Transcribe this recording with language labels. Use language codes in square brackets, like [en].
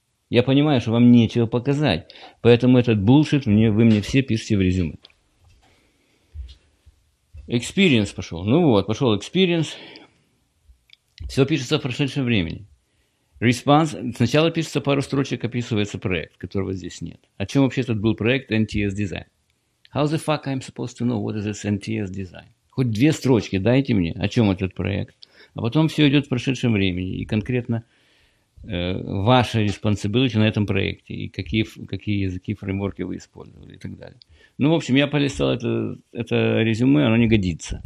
[ru] Я понимаю, что вам нечего показать. Поэтому этот булшит мне, вы мне все пишите в резюме. Experience пошел. Ну вот, пошел experience. Все пишется в прошедшем времени. [en] Response. [ru] Сначала пишется пару строчек, описывается проект, которого здесь нет. О чем вообще этот был проект? [en] NTS Design. How the fuck I'm supposed to know what is this NTS Design? [ru] Хоть две строчки дайте мне, о чем этот проект. А потом все идет в прошедшем времени. И конкретно ваша responsibility на этом проекте. И какие языки, фреймворки вы использовали и так далее. Ну, в общем, я полистал это резюме, оно не годится.